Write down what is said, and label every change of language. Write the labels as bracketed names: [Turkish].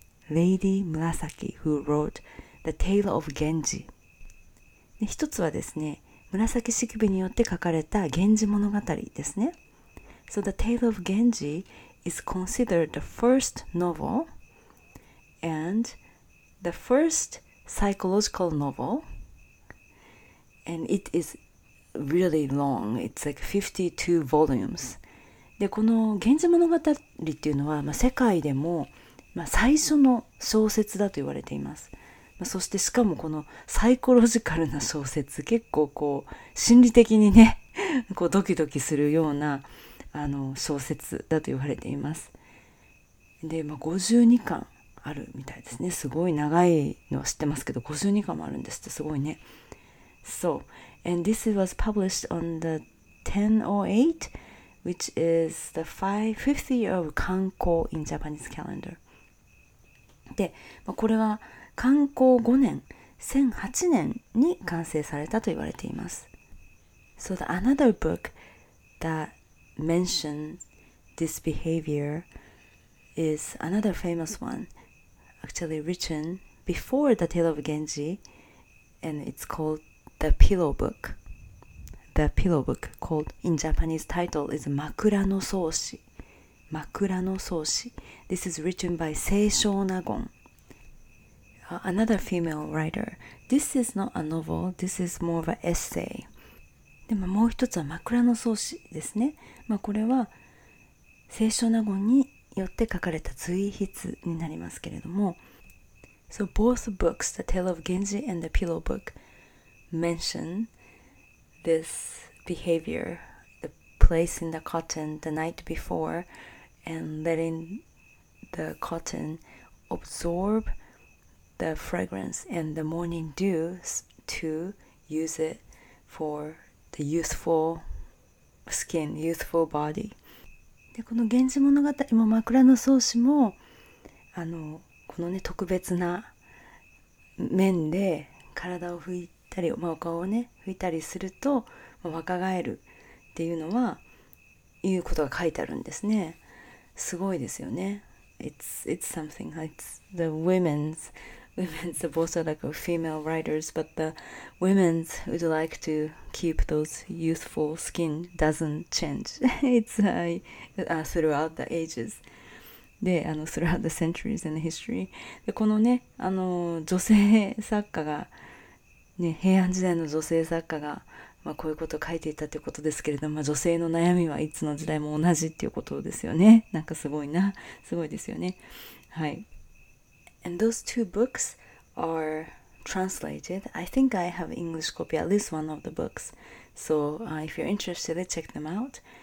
[English] Lady Murasaki, who wrote The Tale of Genji. [Japanese] 一つはですね、紫式部によって書かれた源氏物語ですね。 [English] So The Tale of Genji is considered the first novel and the first psychological novel. And it is really long. It's like 52 volumes. [Japanese] で、この源氏物語っていうのは、まあ、世界でも、まあ、最初の小説だと言われています。まあ、そしてしかもこのサイコロジカルな小説、結構こう心理的にね、こうドキドキするようなあの小説だと言われています。で、まあ、52巻あるみたいですね。すごい長いのは知ってますけど、52巻もあるんですって、すごいね。 [English] So, and this was published on the 1008? Which is the 50th year of Kanko in Japanese calendar. [Japanese] で、まあ、これは刊行5年、1008年に完成されたと言われています。 [English] So the another book that mentioned this behavior is another famous one, actually written before The Tale of Genji, and it's called The Pillow Book. The pillow book called in Japanese title is 枕の草子。 [Japanese] 枕の草子。 [English] This is written by 清少納言。 Another female writer. This is not a novel. This is more of an essay. [Japanese] でももう一つは枕の草子ですね。まあ、これは清少納言によって書かれた随筆になりますけれども。 [English] So both books, The Tale of Genji and The Pillow Book, mention... This behavior, the placing the cotton the night before and letting the cotton absorb the fragrance and the morning dew to use it for the youthful skin, youthful body. [Japanese] で、この源氏物語も枕の草子もあのこのね特別な面で体を拭いてたり、まあ、お顔をね拭いたりすると、まあ、若返るっていうのはいうことが書いてあるんですね。すごいですよね。 [English] It's something. It's the women's both are like female writers, but the women's would like to keep those youthful skin doesn't change. It's throughout the ages. で、あの throughout the centuries and history. [Japanese] で、このね、あの女性作家がね、平安時代の女性作家が、まあ、こういうことを書いていたということですけれども、まあ、女性の悩みはいつの時代も同じっていうことですよね。なんかすごいな。すごいですよね。はい。 [English] And those two books are translated. I think I have English copy, at least one of the books. So, if you're interested, check them out.